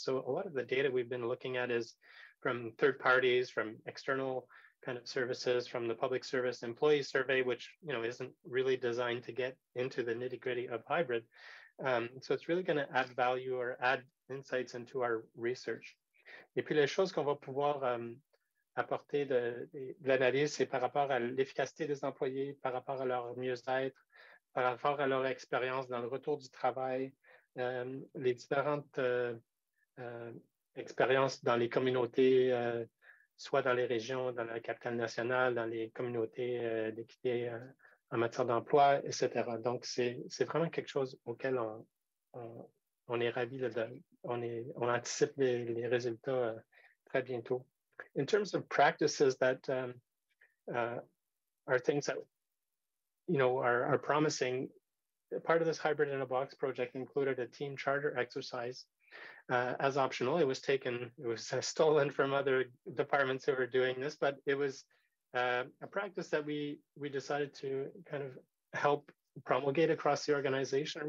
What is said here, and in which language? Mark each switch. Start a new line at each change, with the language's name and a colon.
English: So a lot of the data we've been looking at is from third parties, from external kind of services, from the public service employee survey, which isn't really designed to get into the nitty-gritty of hybrid. So it's really going to add value or add insights into our research.
French: Et puis les choses qu'on va pouvoir apporter de l'analyse, c'est par rapport à l'efficacité des employés, par rapport à leur mieux-être, par rapport à leur expérience dans le retour du travail, les différentes expériences dans les communautés soit dans les régions, dans la capitale nationale, dans les communautés d'équité en matière d'emploi, etc. Donc, c'est vraiment quelque chose auquel on est ravis, on anticipe les résultats très bientôt.
English: In terms of practices that are things that, you know, are promising, part of this Hybrid in a Box project included a team charter exercise as optional. It was stolen from other departments who were doing this, but it was a practice that we decided to kind of help promulgate across the organization.